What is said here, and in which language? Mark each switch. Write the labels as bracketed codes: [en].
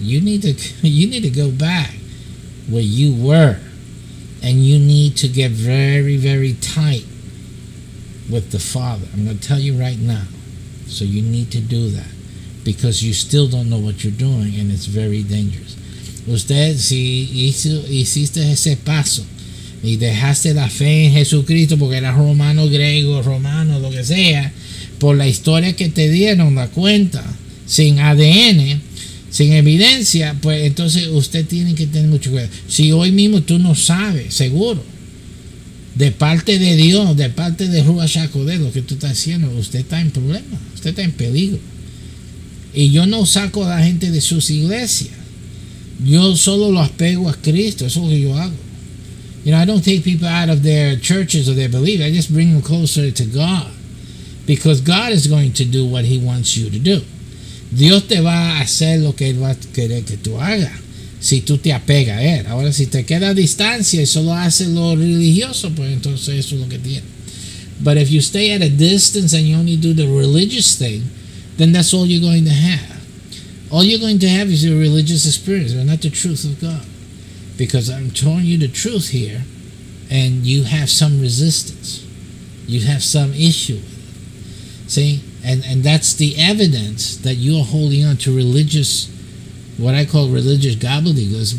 [en] You need to go back where you were, and you need to get very, very tight with the Father. I'm going to tell you right now, So you need to do that because you still don't know what you're doing and it's very dangerous. [es] Usted, si hiciste ese paso y dejaste la fe en Jesucristo porque era romano, griego, romano, lo que sea, por la historia que te dieron, la cuenta, sin ADN, sin evidencia, pues entonces usted tiene que tener mucho cuidado. Si hoy mismo tú no sabes, seguro, de parte de Dios, de parte de Rúa Chacodé, lo que tú estás haciendo, usted está en problema, usted está en peligro. Y yo no saco a la gente de sus iglesias. Yo solo los pego a Cristo, eso es lo que yo hago. [en] You know, I don't take people out of their churches or their belief. I just bring them closer to God. Because God is going to do what he wants you to do. [es] Dios te va a hacer lo que él va a querer que tú hagas. Si tú te apegas a él. Ahora, si te queda a distancia y solo hace lo religioso, pues entonces eso es lo que tiene. [en] But if you stay at a distance and you only do the religious thing, then that's all you're going to have. All you're going to have is your religious experience, but not the truth of God. Because I'm telling you the truth here, and you have some resistance. You have some issue with it. See? And that's the evidence that you're holding on to religious, what I call religious gobbledygook.